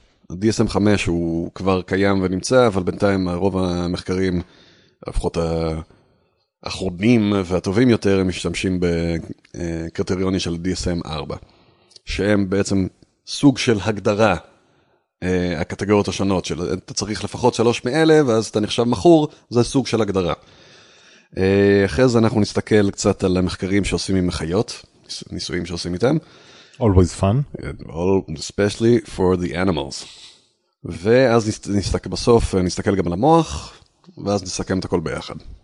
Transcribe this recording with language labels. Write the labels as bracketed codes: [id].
[he] ה-DSM-5 הוא כבר קיים ונמצא, אבל בינתיים רוב המחקרים, לפחות האחרונים והטובים יותר, הם משתמשים בקריטריוני של DSM-4, שהם בעצם סוג של הגדרה הקטגוריות השונות, של, אתה צריך לפחות 3 מאלה, ואז אתה נחשב מחור, זה סוג של הגדרה. אחרי זה אנחנו נסתכל קצת על המחקרים שעושים עם חיות, ניסויים שעושים איתם. [en] Always fun. Especially for the animals. [he] ואז נסתכל בסוף, נסתכל גם על המוח, ואז נסכם את הכל ביחד.